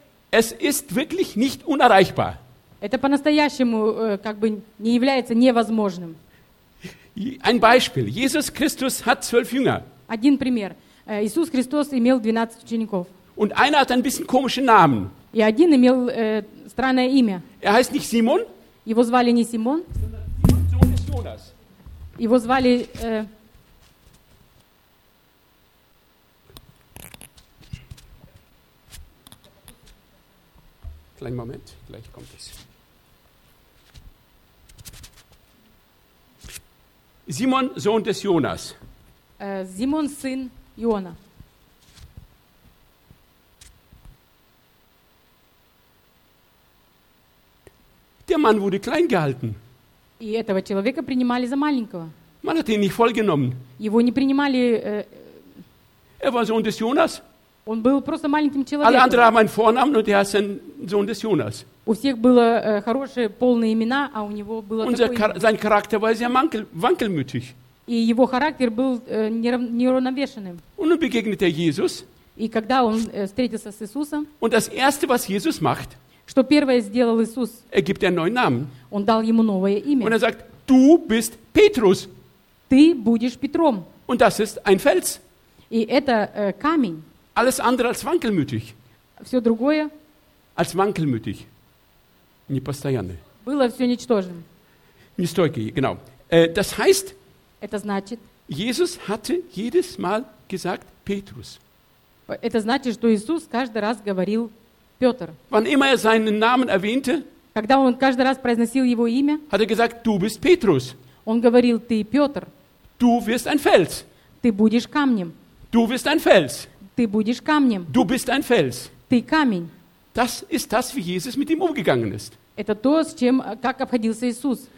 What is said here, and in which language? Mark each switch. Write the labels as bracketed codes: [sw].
[de] Es ist wirklich nicht unerreichbar. [ru] Это по-настоящему как бы не является невозможным. [de] Ein Beispiel. Jesus Christus hat 12 Jünger. [ru] Один пример. Иисус Христос имел 12 учеников. [de] Und einer hat ein bisschen komischen Namen. [ru] И один имел странное имя. [de] Er heißt nicht Simon. [ru] Его звали не Симон. [de] Sondern Simon, Sohn Jonas. [ru] Его звали... [de] Kleinen Moment, gleich kommt es. Simon, Sohn des Jonas. [ru] Simon, сын Иона. [de] Der Mann wurde klein gehalten. [ru] И этого человека принимали за маленького. [de] Man hat ihn nicht vollgenommen. [ru] Его не принимали. [de] Er war Sohn des Jonas. [ru] Он был просто маленьким человеком. [de] Alle anderen haben einen Vornamen und er ist ein Sohn des Jonas. [ru] У всех было хорошие полные имена, а у него было такое. [de] Sein Charakter war sehr wankelmütig. [ru] И его характер был неравновешенным. [de] Und dann begegnet er Jesus. [ru] И когда он встретился с Иисусом. [de] Und das erste, was Jesus macht. [ru] Что первое сделал Иисус? [de] Er gibt einen neuen Namen. [ru] Он дал ему новое имя. [de] Und er sagt, du bist Petrus. [ru] Ты будешь Петром. [de] Und das ist ein Fels. [ru] И это камень. [de] Alles andere als wankelmütig. [ru] Все другое. [de] Als wankelmütig. [ru] Непостоянное. Было все ничтожным. Нестойкий, genau. [de] Das heißt, [ru] это значит, [de] Jesus hatte jedes Mal gesagt, Petrus. [ru] Это значит, что Иисус каждый раз говорил Петр. [de] Wann immer er seinen Namen erwähnte, [ru] когда он каждый раз произносил его имя, [de] hat er gesagt, du bist Petrus. [ru] Он говорил, ты Петр. [de] Du wirst ein Fels. [ru] Ты будешь камнем. [de] Du wirst ein Fels. [ru] Ты будешь камнем. [de] Du bist ein Fels. [ru] Ты камень. [de] Das ist das, wie Jesus mit ihm umgegangen ist. [ru] Это то, с чем, как обходился Иисус.